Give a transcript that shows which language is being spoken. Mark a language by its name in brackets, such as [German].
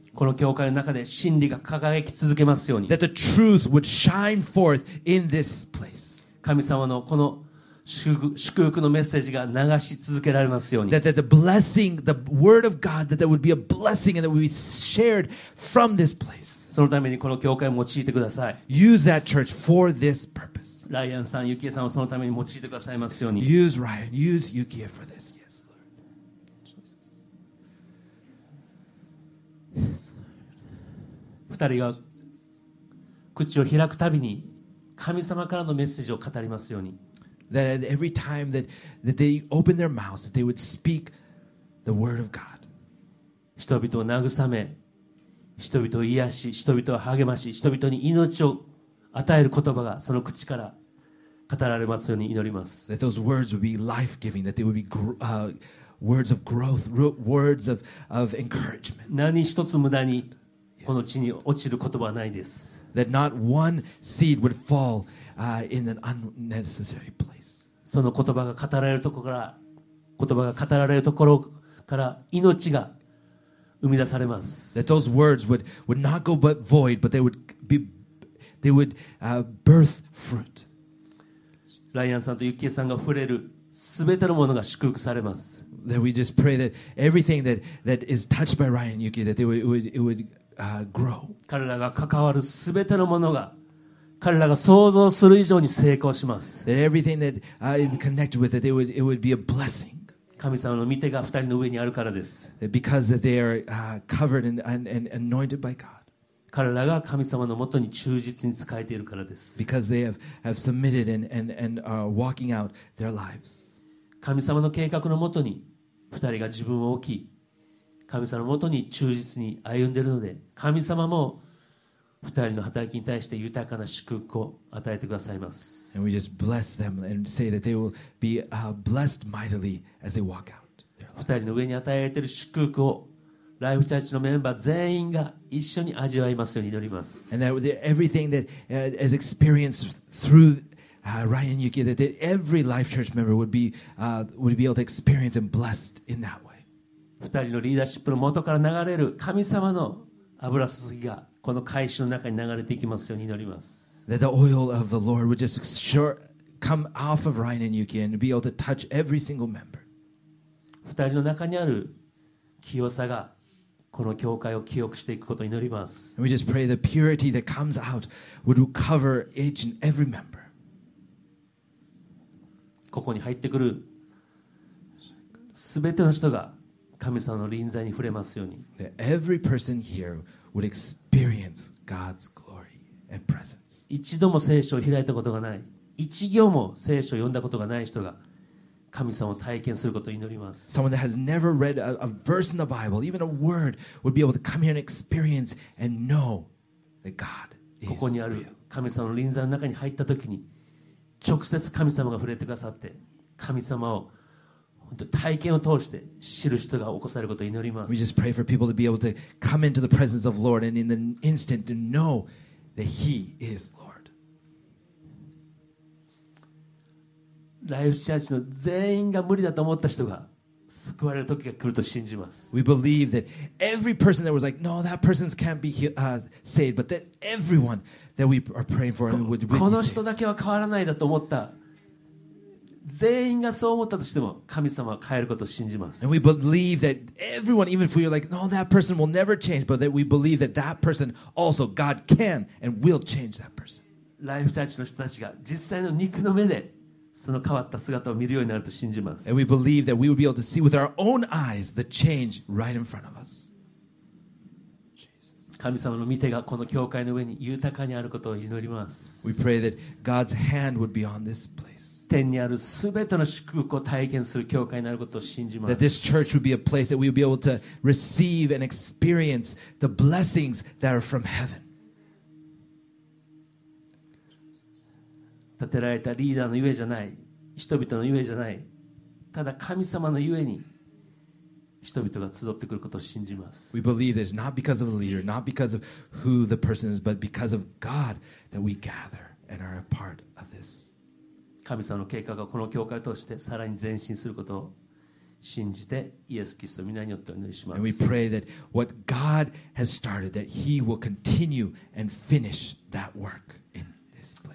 [Japanese] この教会の中で真理が輝き続けますように。 [English] That the truth would shine forth in this place. [Japanese] 神様のこの祝福のメッセージが流し続けられますように。 [English] That the blessing, the word of God, that there would be a blessing and that would be shared from this place. [Japanese] そのためにこの教会を用いてください。 [English] Use that church for this purpose. [Japanese] ライアンさん、ユキエさんをそのために用いてくださいますように。 [English] Use Ryan, use Yukiya for this. Yes, Lord. Yes, Lord. [Japanese] 二人が口を開くたびに神様からのメッセージを語りますように。 [English] That every time that they open their mouths, that they would speak the word of God. [Japanese] 人々を慰め人々を癒し、人々を励まし、人々に命を与える言葉がその口から語られますように祈ります。 [English] That those words would be life-giving, that they would be words of growth, words of encouragement. [Japanese] 何一つ無駄にこの地に落ちる言葉はないです。 [English] That not one seed would fall in an unnecessary place. [Japanese] その言葉が語られるところから、言葉が語られるところから命が生み出されます。 [English] That those words would not go but void, but they would birth fruit. [Japanese] ライアンさんとユキエさんが触れるすべてのものが祝福されます。 [English] That we just pray that everything that is touched by Ryan Yuki, that they would grow. [Japanese] 彼らが関わるすべてのものが彼らが想像する以上に成功します。 [English] That everything that is connected with it, it would be a blessing. [Japanese] 神様の御手が二人の上にあるからです。 [English] Because they are covered and anointed by God. [Japanese] 彼らが神様のもとに忠実に仕えているからです。 [English] Because they have submitted and are walking out their lives. [Japanese] 神様の計画のもとに二人が自分を置き、神様のもとに忠実に歩んでいるので、神様も二人の働きに対して豊かな祝福を与えてくださいます。 [English] And we just bless them and say that they will be blessed mightily as they walk out. [Japanese] 二人の上に与えられている祝福をライフチャーチのメンバー全員が一緒に味わいますように祈ります。 [English] And that everything that is experienced through Ryan Yuki, that every Life Church member would be able to experience and blessed in that way. [Japanese] 二人のリーダーシップの元から流れる神様の油注ぎがこの会社の中に流れていきますように祈ります。 [English] That the oil of the Lord would just come off of Ryan and Yuki and be able to touch every single member. [Japanese] 二人の中にある清さがこの教会を清くしていくことを祈ります。 [English] And we just pray the purity that comes out would cover each and every member. [Japanese] ここに入ってくるすべての人が神様の臨在に触れますように。 [English] That every person here would experience God's glory and presence. [Japanese] 一度も聖書を開いたことがない、一行も聖書を読んだことがない人が神様を体験することを祈ります。 [English] Someone that has never read a verse in the Bible, even a word, would be able to come here and experience and know that God is real. [Japanese] ここにある神様の臨在の中に入ったときに、直接神様が触れてくださって、神様を体験を通して知る人が起こされることを祈ります。 [English] We just pray for people to be able to come into the presence of Lord and in an instant to know that He is Lord. [Japanese] ライフチャーチの全員が無理だと思った人が救われる時が来ると信じます。 [English] We believe that every person that was like, no, that person can't be saved, but that everyone that we are praying for would be saved. [Japanese] この人だけは変わらないだと思った。全員がそう思ったとしても神様は変えることを信じます。 [English] And we believe that everyone, even if we're like, no, that person will never change, but that we believe that that person also God can and will change that person. [Japanese] ライフチャーチの人たちが実際の肉の目でその変わった姿を見るようになると信じます。 [English] And we believe that we will be able to see with our own eyes the change right in front of us. [Japanese] 神様の御手がこの教会の上に豊かにあることを祈ります。 [English] We pray that God's hand would be on this place. [Japanese] 天にある全ての祝福を体験する教会になることを信じます。 [English] That this church would be a place that we would be able to receive and experience the blessings that are from heaven. [Japanese] 立てられたリーダーのゆえじゃない、人々のゆえじゃない、ただ神様のゆえに人々が集ってくることを信じます。 [English] We believe that it's not because of the leader, not because of who the person is, but because of God that we gather and are a part of this. [Japanese] 神様の計画がこの教会を通してさらに前進することを信じてイエス・キリストの御名によってお祈りします。 [English] And we pray that what God has started, that He will continue and finish that work in this place.